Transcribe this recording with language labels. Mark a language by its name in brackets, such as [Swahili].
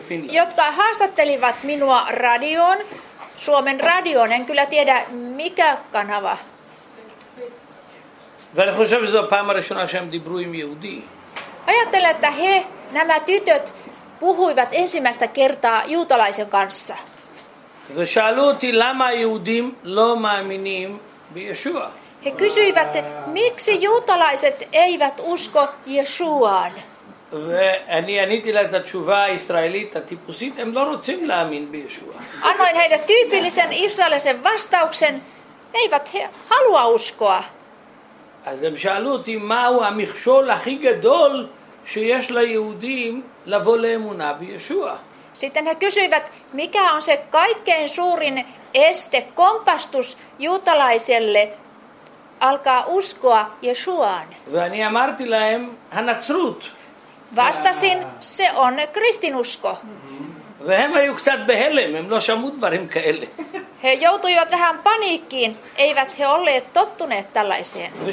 [Finnish] Jotka haastattelivat minua radioon, Suomen radioon, en kyllä tiedä mikä kanava. [Hebrew] ואני חושב שזו הפעם הראשונה שהם דיברו עם יהודי. [Finnish] Ajattelen, että he, nämä tytöt, puhuivat ensimmäistä kertaa juutalaisen kanssa. [Hebrew] ושאלו אותי, למה היהודים לא מאמינים בישוע? [Finnish] He kysyivät, miksi juutalaiset eivät usko Yeshuaan? [Hebrew] ואני עניתי לה את התשובה הישראלית הטיפוסית, הם לא רוצים להאמין בישוע. [Finnish] Annoin heille tyypillisen israelisen vastauksen, eivät he halua uskoa. [Hebrew] אז הם שאלו אותי מהו המכשול הכי גדול שיש ליהודים לבוא לאמונה בישוע. [Finnish] Sitten he kysyivät, mikä on se kaikkein suurin este, kompastus juutalaiselle alkaa uskoa Yeshuaan. [Hebrew] ואני אמרתי להם, הנצרות. [Finnish] Vastasin, se on kristinusko. [Hebrew] והם היו קצת בהלם, הם לא שמעו דברים כאלה. [Finnish] He joutuivat vähän paniikkiin, eivät he olleet tottuneet tällaiseen.